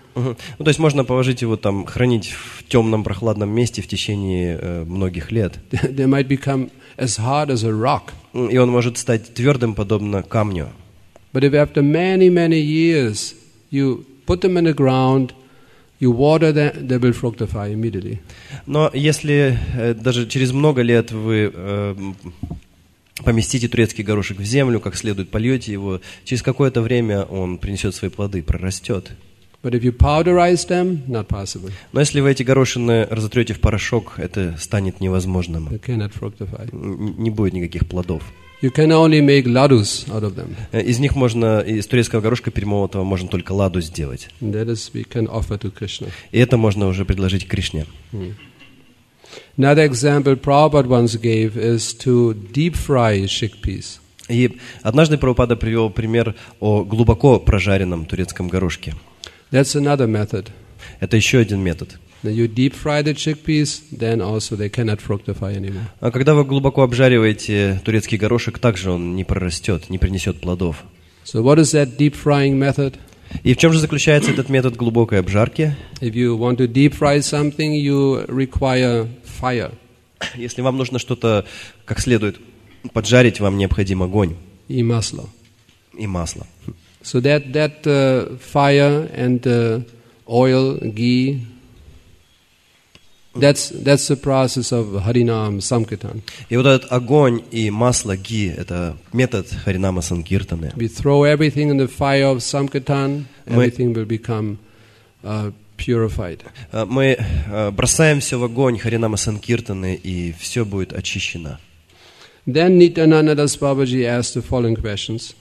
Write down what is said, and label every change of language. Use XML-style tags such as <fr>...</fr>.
<ru>Ну, то есть можно положить его там, хранить в темном прохладном месте в течение многих лет.</ru> <en>They might become as hard as a rock.</en> <ru>И он может стать твердым, подобно камню.</ru> <en>But if after many, many years you put them in the ground, you water them, they will fructify immediately.</en> <ru>Но если даже через много лет вы поместите турецкий горошек в землю, как следует польете его, через какое-то время он принесет свои плоды, прорастет.</ru> <en>But if you powderize them, not possible.</en> <ru>Но если вы эти горошины разотрете в порошок, это станет невозможным.</ru> <en>They cannot fructify.</en> <ru>Не будет никаких плодов.</ru> <en>You can only make ladus out of them.</en> <ru>Из них можно, из турецкого горошка перемолотого, можно только ладу сделать.</ru> <en>That is, we can offer to Krishna.</en> <ru>И это можно уже предложить Кришне.</ru> <en>Mm. Another example Prabhupada once gave is to deep fry chickpeas.</en> <ru>И однажды Прабхупада привел пример о глубоко прожаренном турецком горошке.</ru> <en>That's another method.</en> <ru>Это еще один метод.</ru> <en>You deep fry the chickpeas, then also they cannot fructify anymore.</en> <ru>А когда вы глубоко обжариваете турецкий горошек, также он не прорастет, не принесет плодов.</ru> <en>So what is that deep frying method?</en> <ru>И в чем же заключается этот метод глубокой обжарки?</ru> <en>If you want to deep fry something, you require fire.</en> <ru>Если вам нужно что-то как следует поджарить, вам необходим огонь. И масло. И масло.</ru> <en>So that fire and oil, ghee, that's the process of Harinam Sankirtan.</en> <ru>И вот этот огонь и масло ги — это метод Харинама Санкиртаны.</ru> <en>We throw everything in the fire of Sankirtan, everything will become purified.</en> <ru>Мы бросаем все в огонь Харинама Санкиртаны, и все будет очищено.</ru> <en>Then Nityananda Das Babaji asked the following question.</en>